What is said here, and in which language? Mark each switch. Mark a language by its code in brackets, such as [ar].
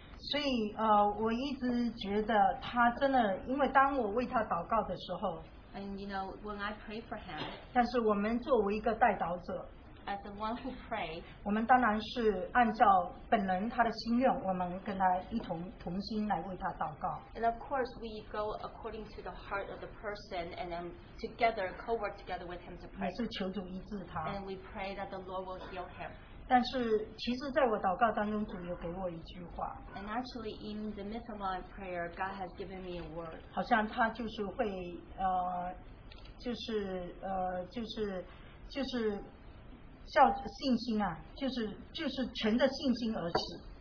[zh] 所以, 我一直觉得他真的，因为当我为他祷告的时候。 [en] And you know, when I pray for him, [zh] 但是我们作为一个代祷者, [en] as the one who pray, [zh] 我们当然是按照本人他的心愿, 我们跟他一同心来为他祷告。 [en] And of course, we go according to the heart of the person, and then together, co-work together with him to pray. [zh] 也是求主医治他。 [en] And we pray that the Lord will heal him. [zh] 但是其实在我祷告当中, 主有给我一句话, [en] and actually, in the midst of my prayer, God has given me a word. [zh] 好像他就是会, 就是叫信心啊, 就是存着信心而死。